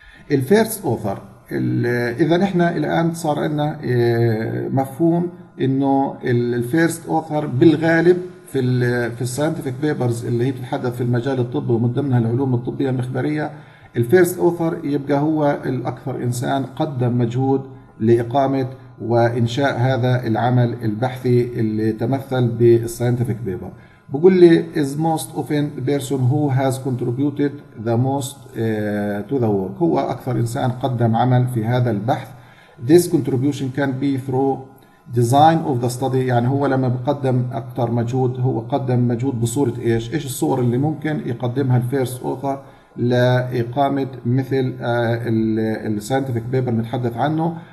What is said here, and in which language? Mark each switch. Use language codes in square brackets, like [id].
[ar] الفيرست أوثر، إذا نحن الآن صار عندنا مفهوم إنه الفيرست أوثر بالغالب في الساينتفك بيبرز اللي هي بتتحدث في المجال الطبي ومن ضمنها العلوم الطبية المخبرية، الفيرست أوثر يبقى هو الأكثر إنسان قدم مجهود لإقامة وإنشاء هذا العمل البحثي اللي تمثل بالساينتفك بيبر. بقول لي [en] is most often the person who has contributed the most to the work، [ar] هو أكثر إنسان قدم عمل في هذا البحث. [en] This contribution can be through design of the study، [ar] يعني هو لما بقدم أكثر مجهود هو قدم مجهود بصورة إيش الصور اللي ممكن يقدمها الفيرست أوثر لإقامة مثل الساينتفك بيبر متحدث عنه.